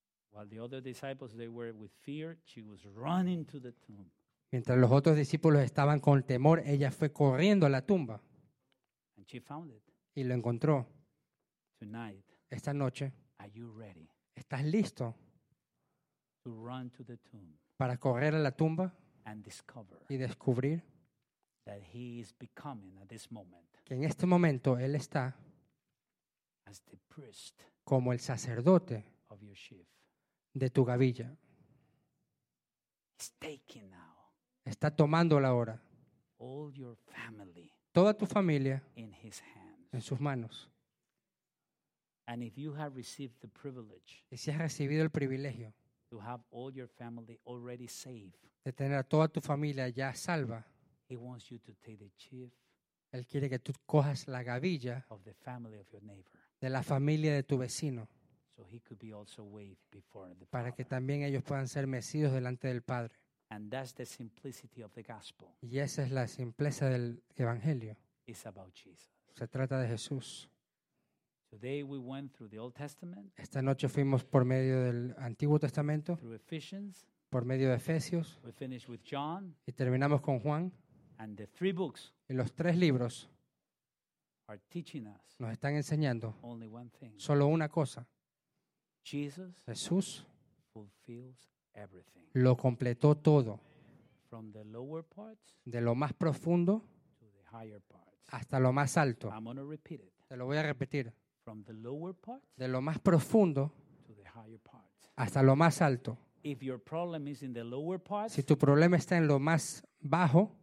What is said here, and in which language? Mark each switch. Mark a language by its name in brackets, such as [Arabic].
[English] While the other disciples, they were with fear, she was running to the tomb. [Spanish] Mientras los otros discípulos estaban con temor, ella fue corriendo a la tumba. [English] And she found it. [Spanish] Y lo encontró. [English] Tonight, [Spanish] esta noche, [English] are you ready? [Spanish] ¿Estás listo [English] to run to the tomb [Spanish] para correr a la tumba [English] and discover [Spanish] y descubrir [English] that he is becoming at this moment, [Spanish] que en este momento él está [English] as the priest [Spanish] como el sacerdote [English] of your sheaf [Spanish] de tu gavilla? [English] He's taking now [Spanish] está tomando la hora [English] all your family [Spanish] toda tu familia [English] in his hands. [Spanish] En sus manos. [English] And if you have received the privilege, [Spanish] y si has recibido el privilegio [English] to have all your family already safe, [Spanish] de tener a toda tu familia ya salva, [English] he wants you to take the chief, [Spanish] él quiere que tú cojas la gavilla [English] of the family of your neighbor, [Spanish] de la familia de tu vecino, [English] so he could be also waved before the [Spanish] para que también ellos puedan ser mecidos delante del Padre. [English] And that's the simplicity of the gospel. [Spanish] Y esa es la simpleza del Evangelio. [English] It's about Jesus. [Spanish] Se trata de Jesús. [English] Today we went through the Old Testament. [Spanish] Esta noche fuimos por medio del Antiguo Testamento. [English] Through Ephesians. [Spanish] Por medio de Efesios. [English] We finished with John. [Spanish] Y terminamos con Juan. [English] And the three books. [Spanish] Y los tres libros. [English] Are teaching us. [Spanish] Nos están enseñando. [English] Only one thing. [Spanish] Solo una cosa. [English] Jesus. [Spanish] Jesús. [English] Fulfills everything. [Spanish] Lo completó todo. [English] From the lower parts. [Spanish] De lo más profundo. [English] To the higher parts. [Spanish] Hasta lo más alto. [English] I'm going to repeat it. [Spanish] Te lo voy a repetir. [English] From the lower parts, [Spanish] de lo más profundo [English] to the higher parts. [Spanish] Hasta lo más alto. [English] If your problem is in the lower parts, [Spanish] si tu problema está en lo más bajo,